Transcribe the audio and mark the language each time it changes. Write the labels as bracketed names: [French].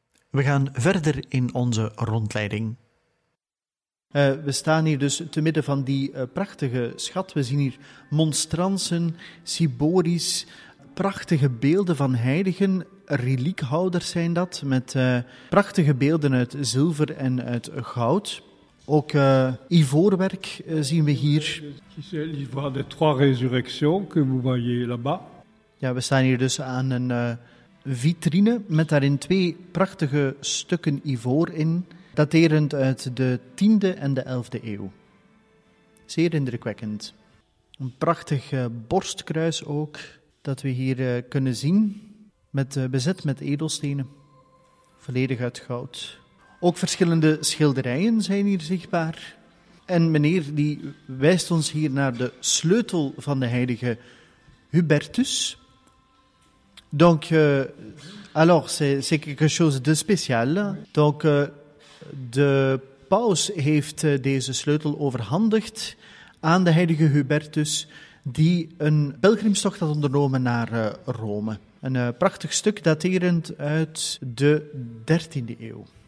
[Dutch] We gaan verder in onze rondleiding. We staan hier dus te midden van die prachtige schat. We zien hier monstransen, ciborisch, prachtige beelden van heiligen. Reliekhouders zijn dat, met prachtige beelden uit zilver en uit goud. Ook ivoorwerk zien we hier. Dit is [French] l'ivoire des trois résurrections que vous voyez là-bas. [Dutch] Ja, we staan hier dus aan een vitrine met daarin 2 prachtige stukken ivoor in, daterend uit de 10e en de 11e eeuw. Zeer indrukwekkend. Een prachtig borstkruis ook, dat we hier kunnen zien, bezet met edelstenen, volledig uit goud. Ook verschillende schilderijen zijn hier zichtbaar. En meneer die wijst ons hier naar de sleutel van de heilige Hubertus. [French] Donc, alors, c'est quelque chose de spécial. [Dutch] Donc, de paus heeft deze sleutel overhandigd aan de heilige Hubertus, die een pelgrimstocht had ondernomen naar Rome. Een prachtig stuk daterend uit de 13e eeuw.